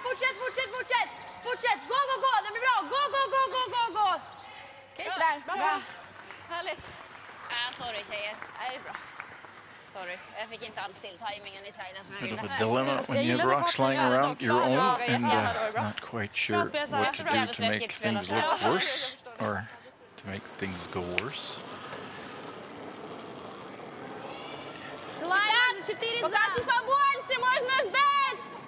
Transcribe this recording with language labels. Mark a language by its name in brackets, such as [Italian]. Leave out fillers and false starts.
[Swedish] Fortsätt, fortsätt, fortsätt! Fortsätt! Gå, gå, gå! Det blir bra! Gå, gå, gå, gå, gå, gå! Okej, sådär. Bra. Bra. Härligt. Sorry, tjejer. Det är bra. Sorry, jag fick inte alls till timingen i sidan som jag ville. [English] Bit of a dilemma when you have rocks lying around your own and not quite sure what to do to make things look worse or to make things go worse. To lie on 4 [Russian] задачи побольше можно ждать.